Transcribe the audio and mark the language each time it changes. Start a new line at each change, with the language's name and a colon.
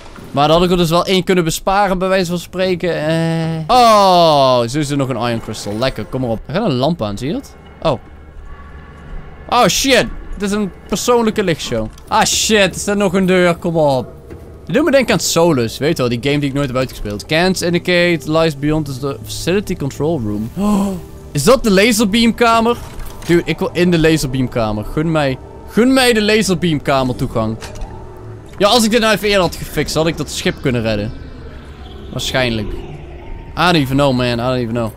Dutch: Maar dan had ik er dus wel één kunnen besparen, bij wijze van spreken. Oh, zo is er nog een iron crystal. Lekker, kom maar op. Er gaat een lamp aan, zie je dat? Oh. Oh, shit. Dit is een persoonlijke lichtshow. Ah, shit. Is er nog een deur? Kom op. Dit doet me denken aan Solus. Weet je wel, die game die ik nooit heb uitgespeeld.
English: Scans indicate lies beyond the facility control room.
Dutch: Oh, is dat de laserbeamkamer? Dude, ik wil in de laserbeamkamer. Gun mij de laserbeamkamer toegang. Ja, als ik dit nou even eerder had gefixt, had ik dat schip kunnen redden. Waarschijnlijk.
English: I don't even know, man. I don't even know.